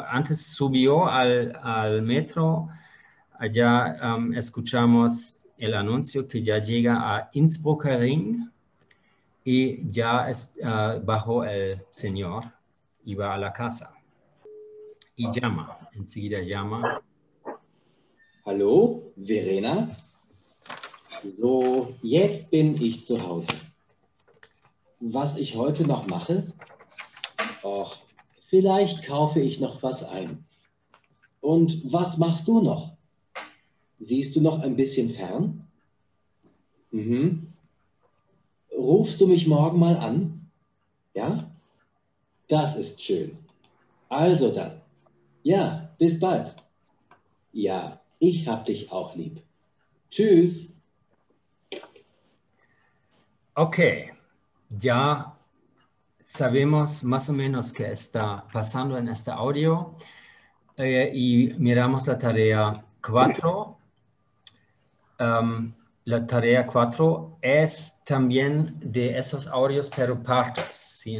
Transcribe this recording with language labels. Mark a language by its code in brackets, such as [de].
[es] Antes subió al metro, allá escuchamos el anuncio que ya llega a Innsbrucker Ring y ya bajó el señor y va a la casa y llama, enseguida llama. [de] Hallo, Verena. So, jetzt bin ich zu Hause. Was ich heute noch mache? Och, vielleicht kaufe ich noch was ein. Und was machst du noch? Siehst du noch ein bisschen fern? Rufst du mich morgen mal an? Ja? Das ist schön. Also dann. Ja, bis bald. Ja, ich hab dich auch lieb. Tschüss. [es] Okay, ya sabemos más o menos qué está pasando en este audio y miramos la tarea 4. La tarea 4 es también de esos audios, pero partes, ¿sí?